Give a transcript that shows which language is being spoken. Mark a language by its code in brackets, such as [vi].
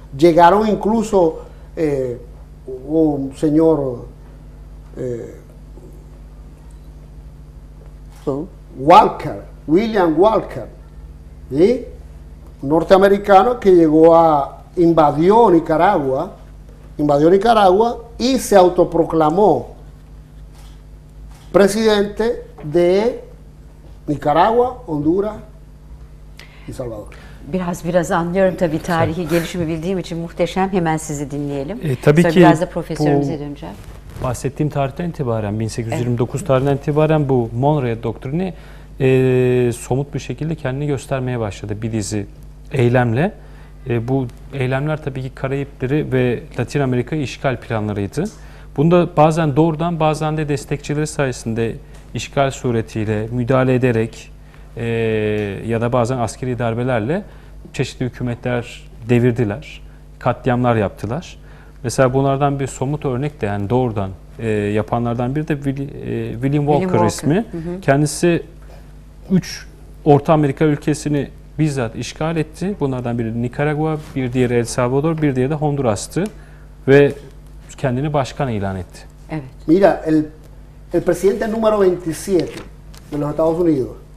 [es] Llegaron incluso un señor Walker, William Walker, ¿sí?, norteamericano, que llegó a invadió Nicaragua y se autoproclamó presidente de Nicaragua, Honduras y Salvador. [tr] Biraz anlıyorum tabii tarihi gelişimi bildiğim için muhteşem. Hemen sizi dinleyelim. Tabii sonra ki biraz da profesörümüze döneceğim. Bahsettiğim tarihten itibaren 1829 tarihinden itibaren bu Monroe doktrini somut bir şekilde kendini göstermeye başladı bir dizi eylemle. Bu eylemler tabii ki Karayipleri ve Latin Amerika'yı işgal planlarıydı. Bunda bazen doğrudan bazen de destekçileri sayesinde işgal suretiyle müdahale ederek ya da bazen askeri darbelerle çeşitli hükümetler devirdiler, katliamlar yaptılar. Mesela bunlardan bir somut örnek de yani doğrudan yapanlardan biri de William Walker ismi. Hı hı. Kendisi 3 Orta Amerika ülkesini bizzat işgal etti. Bunlardan biri Nikaragua, bir diğeri El Salvador, bir diğeri de Honduras'tı ve kendini başkan ilan etti. Evet. [es] Mira, el presidente número 27 de los Estados Unidos.